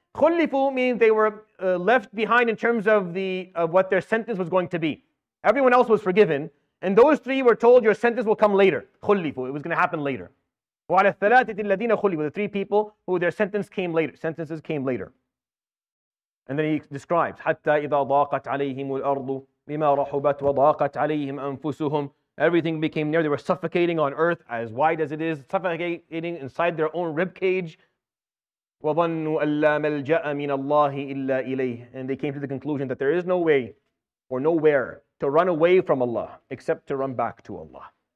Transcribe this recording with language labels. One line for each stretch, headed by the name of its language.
English: خُلِّفُوا means they were left behind in terms of what their sentence was going to be. Everyone else was forgiven. And those three were told, your sentence will come later. خُلِّفُ, it was going to happen later.
Arabic: وَعَلَى الثَّلَاثَةِ الَّذِينَ خُلِّفُ,
English: the three people who their sentence came later. Sentences came later. And then he describes,
Arabic: حَتَّى إِذَا ضَاقَتْ عَلَيْهِمُ الْأَرْضُ بِمَا رَحُبَتْ وَضَاقَتْ عَلَيْهِمْ أَنفُسُهُمْ.
English: Everything became near. They were suffocating on earth, as wide as it is, suffocating inside their own ribcage.
Arabic: وَظَنُّوا أَلَّا مَلْجَأَ مِنَ اللَّهِ إِلَّا إِلَيْهِ.
English: And they came to the conclusion that there is no way or nowhere to run away from Allah, except to run back to Allah.